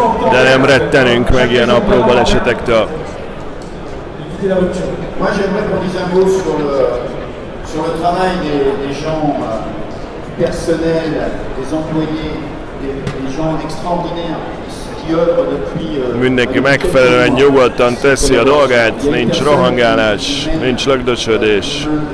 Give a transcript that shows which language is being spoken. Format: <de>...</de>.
<hu>De nem rettenünk meg ilyen apró balesetektől.</hu> <fr>Moi j'aimerais qu'on dise un mot sur le travail des gens personnels, des employés, des gens extraordinaires qui œuvrent depuis.</fr> <hu>Mindenki megfelelően nyugodtan teszi a dolgát, nincs rohangálás, nincs lögdösödés.</hu>